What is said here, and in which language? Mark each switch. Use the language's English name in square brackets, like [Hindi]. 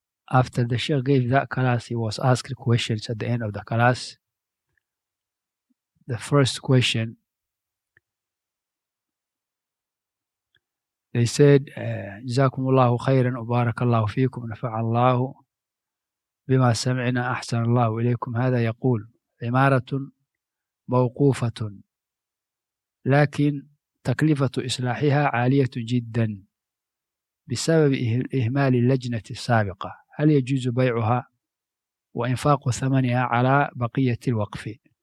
[English] After the Sheikh gave that class, he was asked questions at the end of the class. The first question, they said, [Arabic] جزاكم الله خيرا وبارك الله فيكم نفع الله بما سمعنا أحسن الله إليكم. هذا يقول عمارة موقوفة لكن تكلفة إصلاحها عالية جدا بسبب إهمال اللجنة السابقة، هل يجوز بيعها وإنفاق ثمنها على بقية الوقف؟